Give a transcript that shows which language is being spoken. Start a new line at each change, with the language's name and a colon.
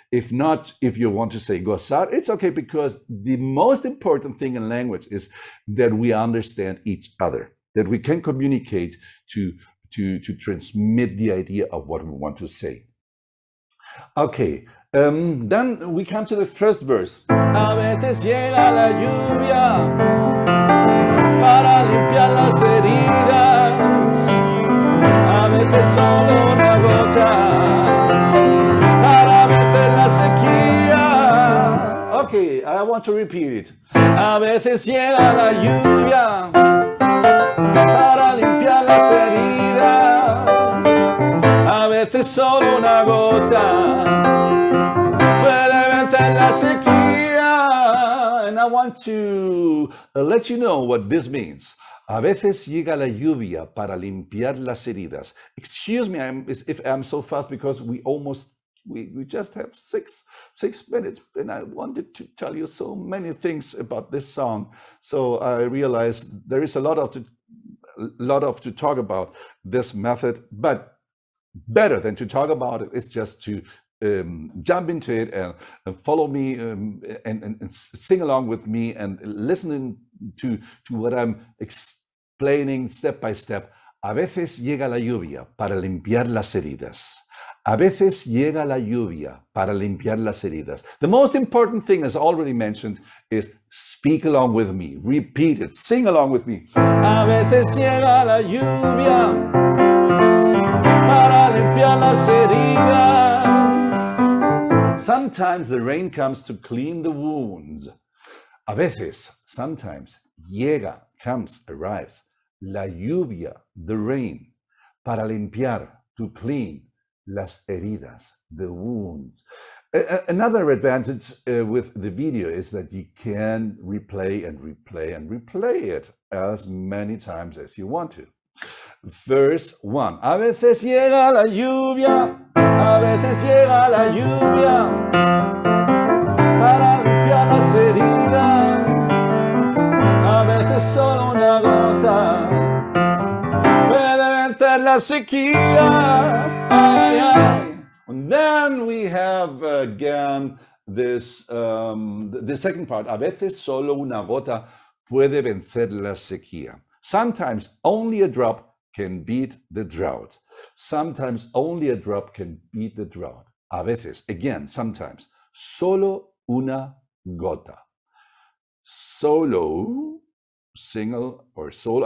English: If not, if you want to say gozar, it's okay, because the most important thing in language is that we understand each other, that we can communicate to transmit the idea of what we want to say. Okay, then we come to the first verse.
Spanish: A veces llega la lluvia para limpiar las heridas. A veces solo una gota para meter la sequía.
English: Okay, I want to repeat it.
Spanish: A veces llega la lluvia para limpiar las heridas. A veces solo una gota puede vencer la sequía.
English: And I want to let you know what this means.
Spanish: A veces llega la lluvia para limpiar las heridas.
English: Excuse me, if I'm so fast, because we just have six minutes, and I wanted to tell you so many things about this song. So I realized there is a lot to talk about this method, but better than to talk about it is just to jump into it and follow me and sing along with me and listening to what I'm explaining step by step.
Spanish: A veces llega la lluvia para limpiar las heridas. A veces llega la lluvia para limpiar las heridas.
English: The most important thing, as already mentioned, is speak along with me. Repeat it. Sing along with me.
Spanish: A veces llega la lluvia para limpiar las heridas.
English: Sometimes the rain comes to clean the wounds.
Spanish: A veces,
English: sometimes,
Spanish: llega,
English: comes, arrives.
Spanish: La lluvia,
English: the rain,
Spanish: para limpiar,
English: to clean.
Spanish: Las heridas,
English: the wounds. Another advantage with the video is that you can replay and replay and replay it as many times as you want to. Verse 1.
Spanish: A veces llega la lluvia, a veces llega la lluvia, para limpiar las heridas. A veces solo una gota puede vencer la sequía.
English: And then we have again this the second part.
Spanish: A veces solo una gota puede vencer la sequía.
English: Sometimes only a drop can beat the drought. Sometimes only a drop can beat the drought.
Spanish: A veces,
English: again, sometimes.
Spanish: Solo una gota. Solo,
English: single or
Spanish: solo.